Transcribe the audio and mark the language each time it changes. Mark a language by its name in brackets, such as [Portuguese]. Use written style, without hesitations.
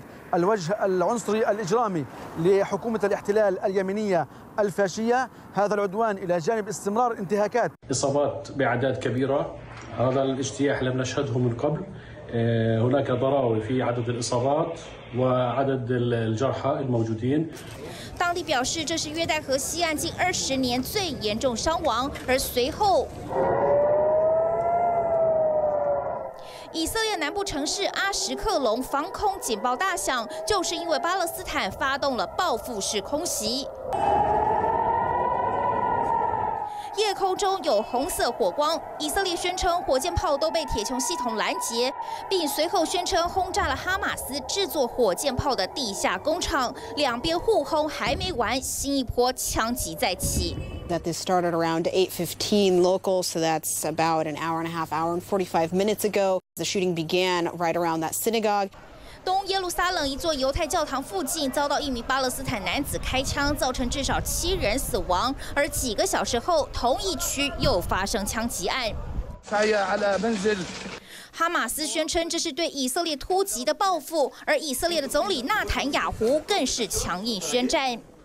[Arabic] الوجه العنصري الإجرامي لحكومة الاحتلال اليمينية الفاشية هذا العدوان إلى جانب استمرار انتهاكات إصابات بأعداد كبيرة هذا الاجتياح لم نشهده من قبل هناك ضرائب في عدد الإصابات وعدد الجرحى الموجودين [Chinese] 当地表示这是约旦河西岸近20年最严重伤亡，而随后。以色列南部城市阿什克隆防空警报大响，就是因为巴勒斯坦发动了报复式空袭。夜空中有红色火光，以色列宣称火箭炮都被铁穹系统拦截，并随后宣称轰炸了哈马斯制作火箭炮的地下工厂。两边互轰还没完，新一波枪击再起。 [English] That this started around 8:15 local, so that's about an hour and a half, hour and 45 minutes ago. The shooting began right around that synagogue. [Chinese] 东耶路撒冷一座犹太教堂附近遭到一名巴勒斯坦男子开枪，造成至少七人死亡。而几个小时后，同一区又发生枪击案。哈马斯宣称这是对以色列突袭的报复，而以色列的总理纳坦雅胡更是强硬宣战。